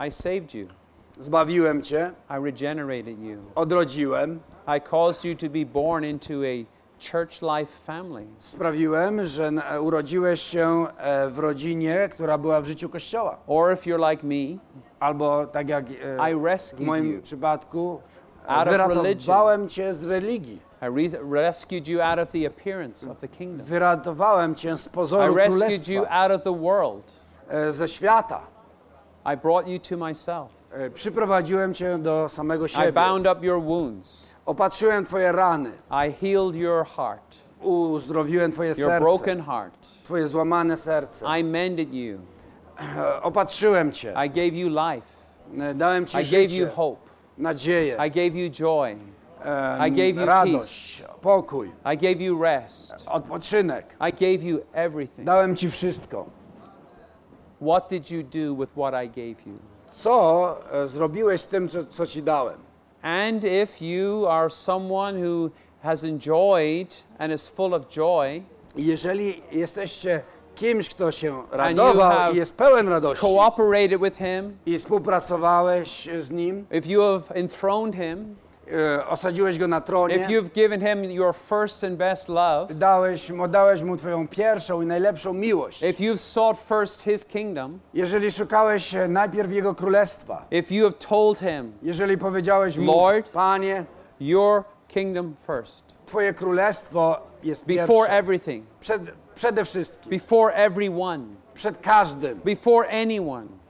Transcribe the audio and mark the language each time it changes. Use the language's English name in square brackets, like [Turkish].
[English] I saved you, [Polish] zbawiłem cię, [English] I regenerated you, [Polish] odrodziłem, [English] I caused you to be born into a church life family. [Polish] Sprawiłem, że urodziłeś się w rodzinie, która była w życiu kościoła. [English] Or if you're like me, [Polish] albo tak jak [English] I rescued [Polish] w moim [English] you [Polish] przypadku, [English] out [Polish] wyratowałem [English] of [Polish] cię z religii. [English] I rescued you out of the appearance of the kingdom. [Polish] Wyratowałem cię z pozoru królestwa. [English] I rescued [Polish] królestwa [English] you out of the world. [Polish] Ze świata. [English] I brought you to myself. [Polish] Przyprowadziłem cię do samego siebie. [English] I bound up your wounds. [Polish] Opatrzyłem twoje rany. [English] I healed your heart. [Polish] Uzdrowiłem twoje [English] your [Polish] serce. [English] Your broken heart. [Polish] Twoje złamane serce. [English] I mended you. [Polish] Opatrzyłem cię. [English] I gave you life. [Polish] Dałem ci [English] I [Polish] życie. [English] I gave you hope. [Polish] Nadzieję. [English] I gave you joy. I gave you [Polish] radość, [English] peace. [Polish] Pokój. [English] I gave you rest. [Polish] Odpoczynek. [English] I gave you everything. [Polish] Dałem ci wszystko. [English] What did you do with what I gave you? [Polish] Co zrobiłeś z tym, co ci dałem? [English] And if you are someone who has enjoyed and is full of joy, [Polish] jeżeli jesteście kimś, kto się radował i jest pełen radości. [English] Cooperated with him. [Polish] I współpracowałeś z nim. [English] If you have enthroned him. [Polish] Osadziłeś go na tronie. [English] If you've given him your first and best love. [Polish] Dałeś mu twoją pierwszą i najlepszą miłość. [English] If you've sought first his kingdom. [Polish] Jeżeli szukałeś najpierw jego królestwa. [English] If you have told him. [Polish] Jeżeli powiedziałeś mu, [English] Lord, [Polish] Panie, [English] your kingdom first. [Polish] Twoje królestwo jest [English] before [Polish] pierwsze. [English] Everything. [Polish] Przede wszystkim. [English] Before everyone. [Polish] Przed każdym. [English] Before anyone.